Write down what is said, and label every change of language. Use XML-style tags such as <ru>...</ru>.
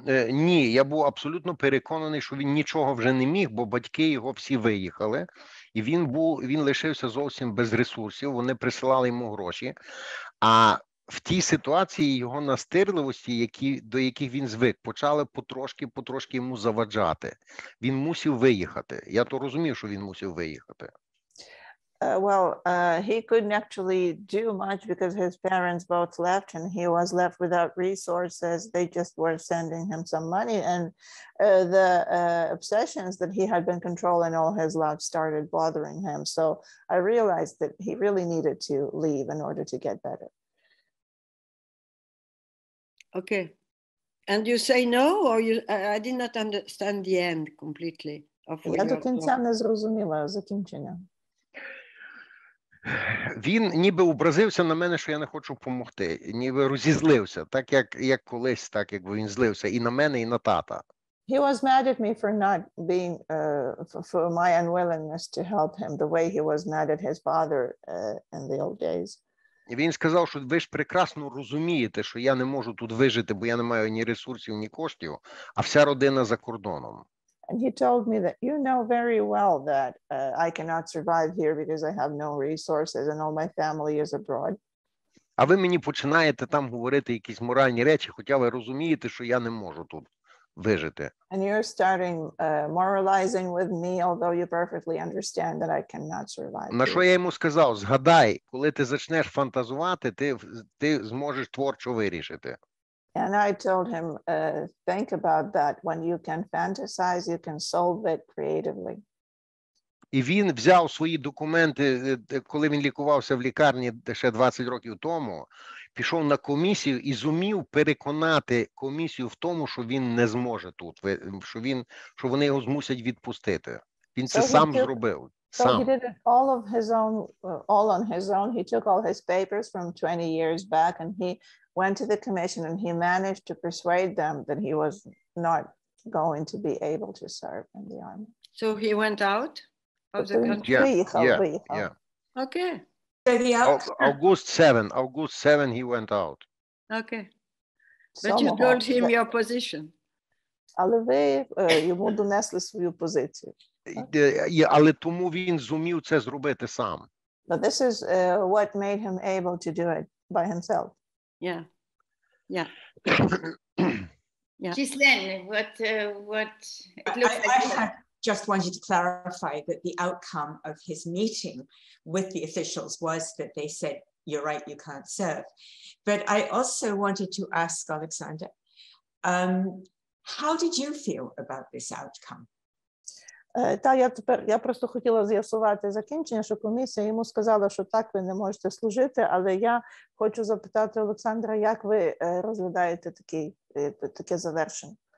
<uk>Ні, я був абсолютно переконаний, що він нічого вже не міг, бо батьки його всі виїхали, і він лишився зовсім без ресурсів. Вони присилали йому гроші. А в тій ситуації його настирливості, до яких він звик, почали потрошки йому заважати. Він мусив виїхати. Я то розумів, що він мусив виїхати.</uk> <en>Well, he couldn't actually do much because his parents both left and he was left without resources. They just were sending him some money and the obsessions that he had been controlling all his life started bothering him. So I realized that he really needed to leave in order to get better. Okay, and you say no, or you? I did not understand the end completely of what you said.</en> <uk>Я до кінця не зрозуміла закінчення. Він ніби образився на мене, що я не хочу помогти, ніби розізлився, так як колись, так як він злився і на мене, і на тата.</uk> <en>He was mad at me for not being for my unwillingness to help him the way he was mad at his father in the old days.</en> <uk>Він сказав, що ви ж прекрасно розумієте, що я не можу тут вижити, бо я не маю ні ресурсів, ні коштів, а вся родина за кордоном.</uk> <en>And he told me that you know very well that I cannot survive here because I have no resources and all my family is abroad.</en> <uk>А ви мені починаєте там говорити якісь моральні речі, хоча ви розумієте, що я не можу тут вижити.</uk> <en>And you're starting moralizing with me, although you perfectly understand that I cannot survive.</en> <uk>На що я йому сказав? Згадай, коли ти почнеш фантазувати, ти зможеш творчо вирішити.</uk> <en>And I told him, think about that. When you can fantasize, you can solve it creatively.</en> <uk>І він взяв свої документи, коли він лікувався в лікарні ще 20 років тому, пішов на комісію і зумів переконати комісію в тому, що він не зможе тут, що вони його змусять відпустити. Він це сам зробив.</uk> <en>So he did it all of his own, all on his own. He took all his papers from 20 years back and he went to the commission and he managed to persuade them that he was not going to be able to serve in the army. So he went out of the country? Yeah. Okay. August 7, he went out. Okay. But you told him your position.</en> <uk>Але ви йому донесли свою позицію. Але тому він зумів це зробити сам.</uk> <en>But this is what made him able to do it by himself. Yeah. Ghislaine, what it looks like. Just wanted to clarify that the outcome of his meeting with the officials was that they said, you're right, you can't serve. But I also wanted to ask Oleksandr, how did you feel about this outcome?</en> <uk>Я просто хотіла з'ясувати закінчення, що комісія йому сказала, що так, ви не можете служити, але я хочу запитати Олександра, як ви розглядаєте таке завершення?</uk>